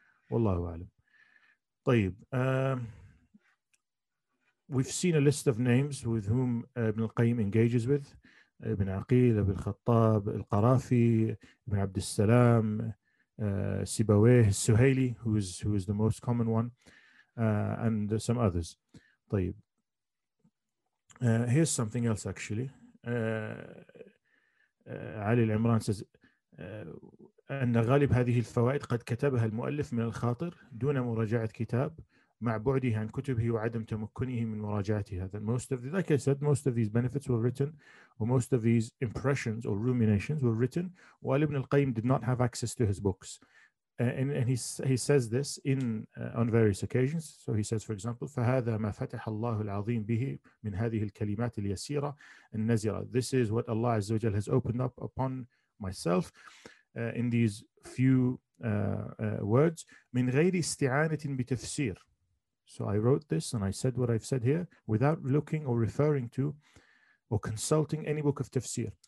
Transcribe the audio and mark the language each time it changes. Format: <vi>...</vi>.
<en>Wallahu A'lam. Tayyib. We've seen a list of names with whom Ibn Al-Qayyim engages with. Ibn Aqil, Ibn Khattab, Al-Qarafi, Ibn Abd al-Salam, Sibawayh, Suhaili, who is the most common one, and some others.</en> <ar>طيب.</ar> <en>Here's something else, actually. Ali Al-Imran says,</en> <ar>أن غالب هذه الفوائد قد كتبها المؤلف من الخاطر دون مراجعة كتاب مع بعده عن كتبه وعدم تمكنه من مراجعتها.</ar> <en>That most of, like I said, most of these benefits were written, or most of these impressions or ruminations were written while Ibn al-Qayyim did not have access to his books. And he says this in on various occasions. So he says, for example,</en> <ar>فهذا ما فتح الله العظيم به من هذه الكلمات اليسيرة النزيرة.</ar> <en>This is what Allah Azza wa Jal has opened up upon myself in these few words.</en> <ar>من غير استعانة بتفسير.</ar> <en>So I wrote this and I said what I've said here without looking or referring to or consulting any book of tafsir.</en>